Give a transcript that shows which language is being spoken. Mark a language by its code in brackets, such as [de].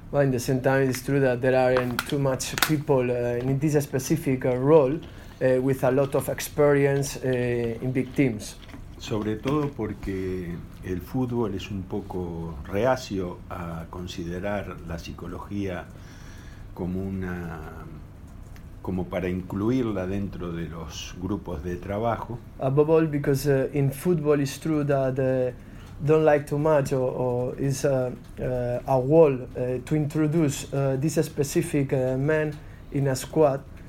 [en] Well, in the same time, it's true that there aren't too much people in this specific role with a lot of experience in big teams. [es] Sobre todo porque el fútbol es un poco reacio a considerar la psicología como para incluirla dentro de los grupos de trabajo. [en] Above all, because in football it's true that don't like too much or is a wall to introduce this specific man in a squad.